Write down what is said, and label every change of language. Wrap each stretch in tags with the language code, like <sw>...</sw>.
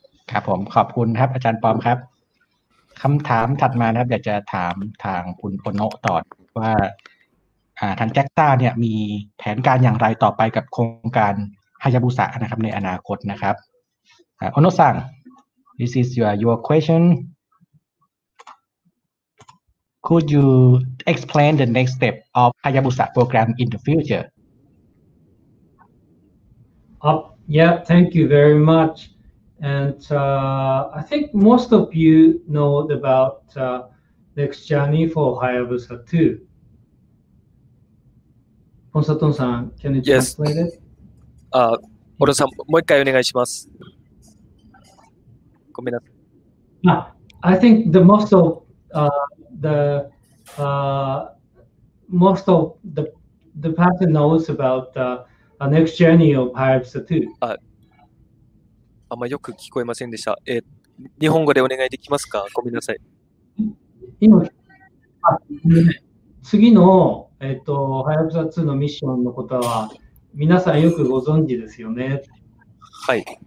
<th>ครับผมขอบคุณครับอาจารย์ปอมครับคำถามถัดมานะครับอยากจะถามทางคุณโอโนะต่อว่าทางแจ็คต้าเนี่ยมีแผนการอย่างไรต่อไปกับโครงการฮายาบุสะนะครับในอนาคตนะครับโอโนะซัง</th> <en>This is your questionCould you explain the next step of Hayabusa program in the future? Yeah, thank you very much. And I think most of you know about next journey for Hayabusa 2. Ponsaton-san, can you explain it?</en> <ja>Oro-san, もう一回お願いします。ごめんなさい。</ja> <en>I think the most of the... most of the person knows about the next journey of Hayabusa 2.</en> <ja>あんまよく聞こえませんでした。日本語でお願いできますか。ごめんなさい。今、次の Hayabusa 2のミッションのことは皆さんよくご存知ですよね。はい。</ja>